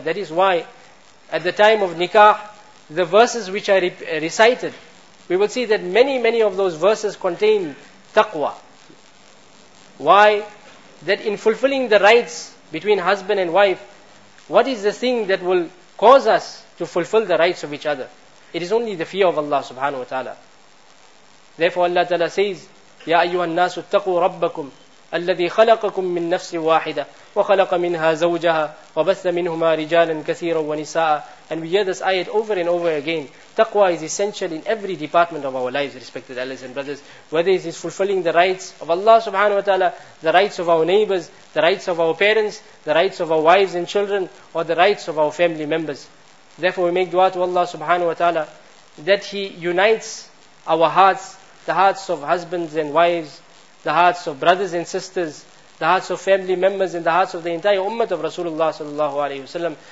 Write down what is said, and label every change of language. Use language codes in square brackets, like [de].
[en] That is why, at the time of nikah, the verses which are recited, we will see that many, many of those verses contain taqwa. Why? That in fulfilling the rights between husband and wife, what is the thing that will cause us to fulfill the rights of each other? It is only the fear of Allah subhanahu wa ta'ala. [ar] Therefore Allah ta'ala says, يَا أَيُّهَا النَّاسُ اتَّقُوا رَبَّكُمْ الَّذِي خَلَقَكُمْ مِنْ نَفْسٍ وَاحِدَةً وَخَلَقَ مِنْهَا زَوْجَهَا وَبَثَّ مِنْهُمَا رِجَالًا كَثِيرًا وَنِسَاءً. [en] And we hear this ayat over and over again. Taqwa is essential in every department of our lives, respected elders and brothers. Whether it is fulfilling the rights of Allah subhanahu wa ta'ala, the rights of our neighbors, the rights of our parents, the rights of our wives and children, or the rights of our family members. Therefore we make dua to Allah subhanahu wa ta'ala that He unites our hearts, the hearts of husbands and wives, the hearts of brothers and sisters, the hearts of family members, and the hearts of the entire ummah of Rasulullah sallallahu alayhi wa sallam.